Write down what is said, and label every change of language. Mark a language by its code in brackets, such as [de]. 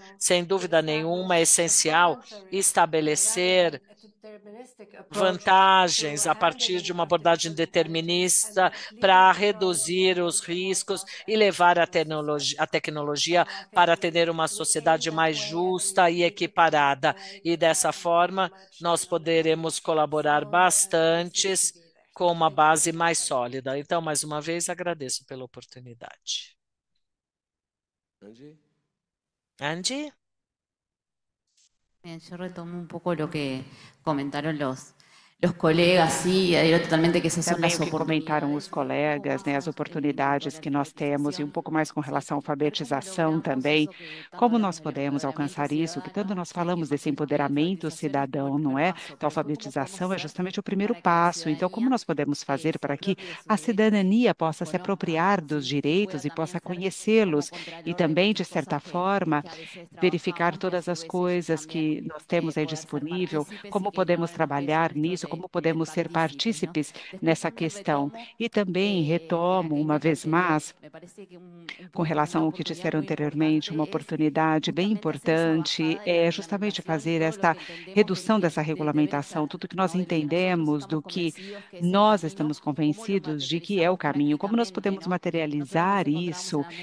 [pt] Sem dúvida nenhuma, é essencial estabelecer vantagens a partir de uma abordagem determinista para reduzir os riscos e levar a tecnologia para atender uma sociedade mais justa e equiparada. E dessa forma, nós poderemos colaborar bastante com uma base mais sólida. Então, mais uma vez, agradeço pela oportunidade. Andy? Andy? [es] Bien, yo retomo un poco lo que comentaron los colegas, sí, totalmente que esas son las oportunidades. Comentaron los colegas, ¿no? [pt] As oportunidades que nós temos [es] y un poco más con relación a alfabetización también. ¿Cómo nós podemos alcanzar eso? Que tanto [pt] nós falamos [es] de ese empoderamiento cidadão, ¿no? Então, alfabetización es justamente el primer paso. Entonces, ¿cómo nós podemos hacer para que [pt] a cidadanía possa se apropiar dos direitos [es] y [pt] possa conhecê-los? [es] Y también, de cierta forma, verificar todas las cosas que nós temos ahí disponível. ¿Cómo podemos trabajar isso, como podemos ser partícipes [pt] nessa questão. E também retomo uma vez mais, com relação ao que disseram anteriormente, uma oportunidade bem importante é justamente fazer esta redução dessa regulamentação, tudo que nós entendemos do que nós estamos convencidos de que é o caminho, como nós podemos materializar isso.